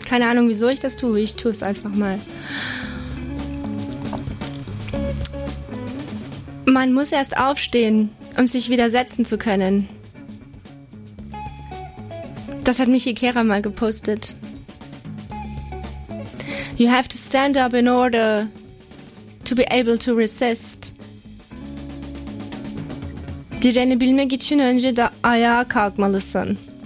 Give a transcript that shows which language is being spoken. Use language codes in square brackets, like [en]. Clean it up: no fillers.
[de] Keine Ahnung, wieso ich das tue. Ich tue es einfach mal. Man muss erst aufstehen, um sich wieder setzen zu können. Das hat Michi Kehrer mal gepostet. [en] You have to stand up in order to be able to resist. [tr] Direni bilmek için önce de ayağa kalkmalısın.